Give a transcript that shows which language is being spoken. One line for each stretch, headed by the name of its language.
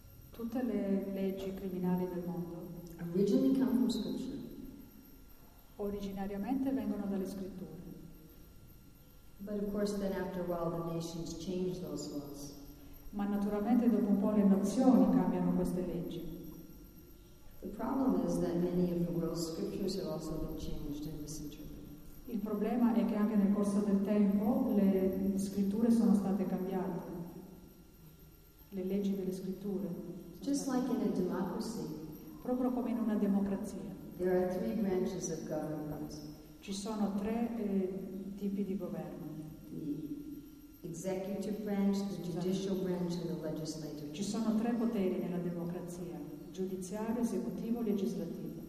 Italian: Tutte le leggi criminali del mondo
English: originally come from scripture.
Italian: Originariamente vengono dalle scritture.
English: But of course then after a while the nations change those laws.
Italian: Ma naturalmente dopo un po' le nazioni cambiano queste leggi.
English: The problem is that many of the world's scriptures have also been changed and misinterpreted.
Italian: Il problema è che anche nel corso del tempo le scritture sono state cambiate. Le leggi delle scritture.
English: Just like in a democracy.
Italian: Proprio come in una democrazia.
English: There are three branches of government.
Italian: Ci sono tre tipi di governo.
English: The executive branch, the judicial branch, and the legislative.
Italian: Ci sono tre poteri nella democrazia: giudiziario, esecutivo, legislativo.